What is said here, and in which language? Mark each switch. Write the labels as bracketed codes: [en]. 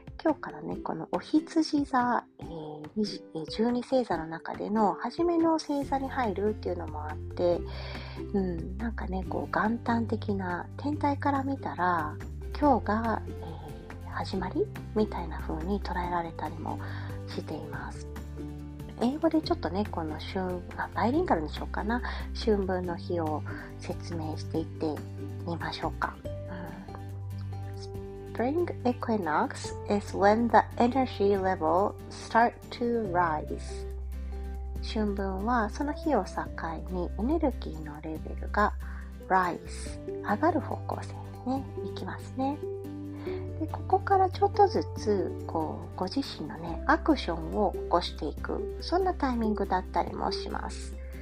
[ja] 今日からね、このお羊座、十二星座の中での初めの星座に入るっていうのもあって、なんかね、こう元旦的な天体から見たら今日が、始まりみたいな風に捉えられたりもしています。英語でちょっとね、この春、バイリンガルにしようかな、春分の日を説明していってみましょうか。 [en] Spring equinox is when the energy level start to rise. [ja] 春分はその日を境にエネルギーのレベルが rise、上がる方向性にね、いきますね。で、ここからちょっとずつこうご自身のね、アクションを起こしていく、そんなタイミングだったりもします。